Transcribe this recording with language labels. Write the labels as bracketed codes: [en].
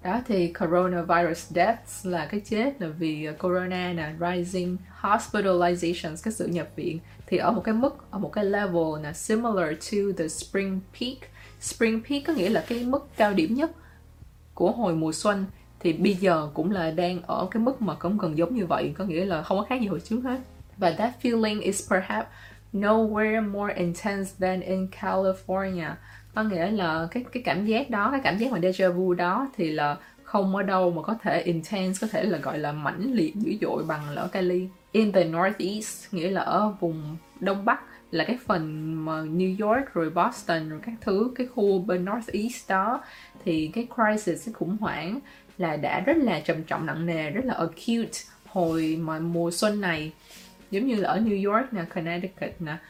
[vi] Đó thì [en] coronavirus deaths [vi] là cái chết, là vì corona nè, [en] rising hospitalizations, [vi] cái sự nhập viện, thì ở một cái mức, ở một cái level nè, [en] similar to the spring peak. Spring peak [vi] có nghĩa là cái mức cao điểm nhất của hồi mùa xuân, thì bây giờ cũng là đang ở cái mức mà cũng gần giống như vậy, có nghĩa là không có khác gì hồi trước hết. Và [en] that feeling is perhaps nowhere more intense than in California. [vi] Có nghĩa là cái cảm giác đó, cái cảm giác mà deja vu đó thì là không ở đâu mà có thể [en] intense, [vi] có thể là gọi là mãnh liệt dữ dội bằng là ở Cali. [en] In the Northeast, [vi] nghĩa là ở vùng Đông Bắc, là cái phần mà New York rồi Boston rồi các thứ, cái khu bên Northeast đó, thì cái crisis, cái khủng hoảng là đã rất là trầm trọng nặng nề, rất là [en] acute [vi] hồi mà mùa xuân này, giống như là ở New York nè, Connecticut nè.